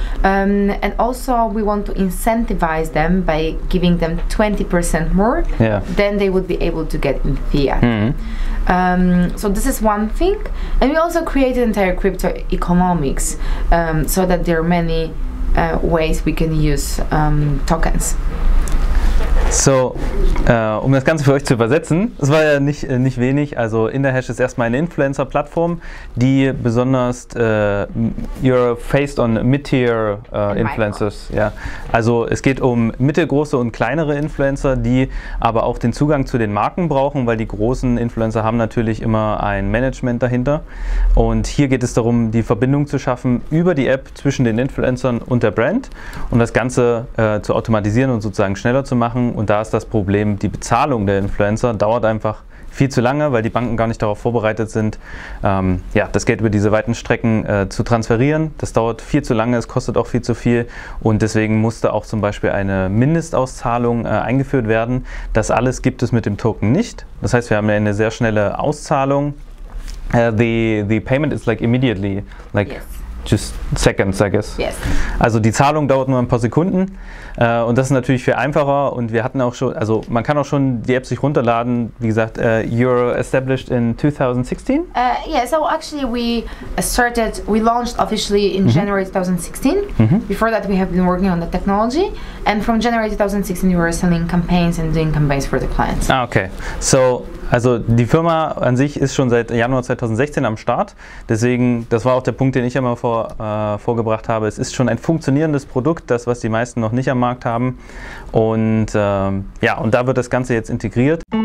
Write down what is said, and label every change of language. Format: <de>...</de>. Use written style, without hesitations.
<en>And also we want to incentivize them by giving them 20% more, then they would be able to get in fiat. So this is one thing. And we also created entire crypto economics so that there are many ways we can use tokens.</en> <de>So, um das Ganze für euch zu übersetzen, es war ja nicht wenig, also InderHash ist erstmal eine Influencer-Plattform, die besonders,</de> <en>you're faced on mid-tier Influencers,</en> <de>ja. Also es geht um mittelgroße und kleinere Influencer, die aber auch den Zugang zu den Marken brauchen, weil die großen Influencer haben natürlich immer ein Management dahinter. Und hier geht es darum, die Verbindung zu schaffen über die App zwischen den Influencern und der Brand und das Ganze zu automatisieren und sozusagen schneller zu machen. Und da ist das Problem, die Bezahlung der Influencer dauert einfach viel zu lange, weil die Banken gar nicht darauf vorbereitet sind, das Geld über diese weiten Strecken zu transferieren. Das dauert viel zu lange, es kostet auch viel zu viel und deswegen musste auch zum Beispiel eine Mindestauszahlung eingeführt werden. Das alles gibt es mit dem Token nicht. Das heißt, wir haben eine sehr schnelle Auszahlung.</de> <en>The payment is like immediately, like just seconds, I guess. Yes.</en> <de>Also die Zahlung dauert nur ein paar Sekunden und das ist natürlich viel einfacher und wir hatten auch schon, also man kann auch schon die App sich runterladen, wie gesagt,</de> <en>you're established in 2016? Yeah, so actually we launched officially in January 2016. Mm-hmm. Before that we have been working on the technology and from January 2016 we were selling campaigns and doing campaigns for the clients. Ah, okay.</en> <de>So, also die Firma an sich ist schon seit Januar 2016 am Start, deswegen, das war auch der Punkt, den ich immer vorgebracht habe. Es ist schon ein funktionierendes Produkt, das, was die meisten noch nicht am Markt haben. Und und da wird das Ganze jetzt integriert.</de>